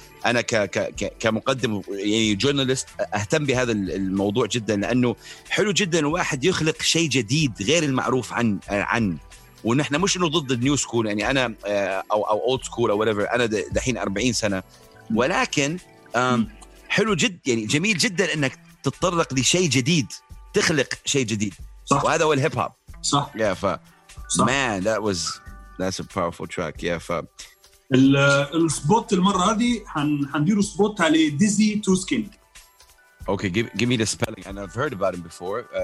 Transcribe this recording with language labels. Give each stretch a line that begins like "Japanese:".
Arabic: أنا كمقدم يعني جورناليست أهتم بهذا الموضوع جدا، لأنه حلو جدا واحد يخلق شيء جديد غير المعروف عن ونحن مش إنه ضد النيو سكول، يعني أنا أو أولد سكول أو whatever، أنا دحين 40 سنة، ولكن حلو جد يعني جميل جدا إنك تتطرق لشيء جديد، تخلق شيء جديد صح. وهذا هو الهيب هوب صح. yeah ف صح.
English: man that's a powerful track. yeah ف
Arabic: السبوت المرة هذه حنديرو سبوت على ديزي تو سكين.
English: okay give me the spelling and I've heard about him before.